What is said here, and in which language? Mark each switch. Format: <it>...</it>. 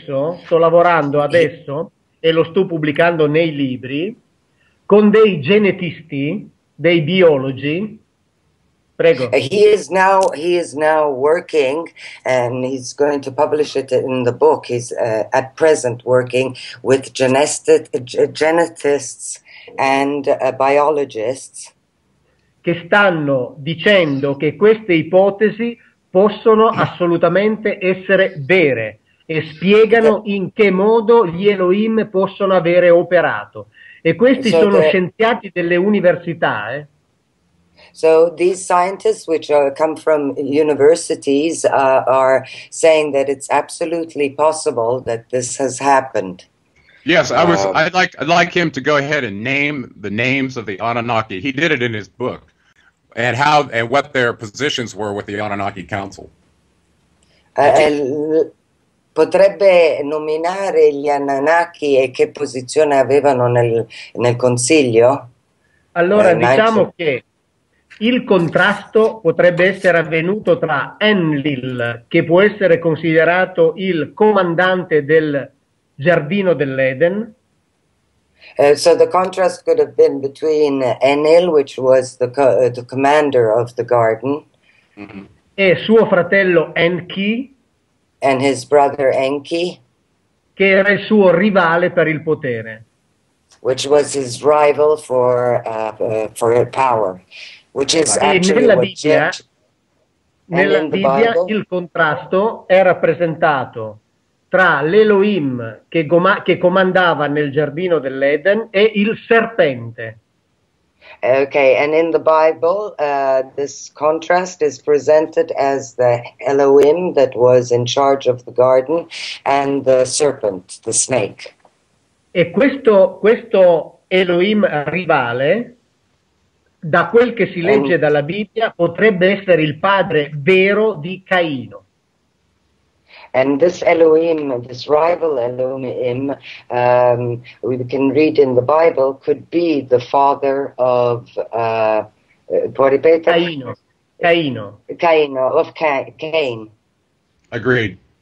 <it>Io sto lavorando adesso e lo sto pubblicando nei libri con dei genetisti, dei biologi. Prego.</it> <en>He is now working and he's going to publish it in the book. He's at present working with genetists and biologists</en> <it>che stanno dicendo che queste ipotesi possono assolutamente essere vere e spiegano in che modo gli Elohim possono avere operato. E questi sono scienziati delle università.</it> <en>So these scientists which come from universities are saying that it's absolutely possible that this has happened. Yes, I'd like him to go ahead and name the names of the Anunnaki. He did it in his book. And how and what their positions were with the Anunnaki Council.</en> <it>Potrebbe nominare gli Anunnaki e che posizione avevano nel consiglio? Allora diciamo che il contrasto potrebbe essere avvenuto tra Enlil, che può essere considerato il comandante del giardino dell'Eden.</it> <en>So the contrast could have been between Enlil, which was the commander of the garden,</en> <it>e suo fratello Enki,</it> <en>and his brother Enki,</en> <it>che era il suo rivale per il potere,</it> <en>which was his rival for power, which is actually</en> <it>nella Bibbia il contrasto è rappresentato tra l'Elohim che comandava nel giardino dell'Eden e il serpente.</it> <en>Okay, and in the Bible this contrast is presented as the Elohim that was in charge of the garden and the serpent, the snake.</en> <it>E questo Elohim rivale, da quel che si legge dalla Bibbia, potrebbe essere il padre vero di Caino.</it> <en>And this Elohim, this rival Elohim, we can read in the Bible, could be the father of Cain. Agreed.</en>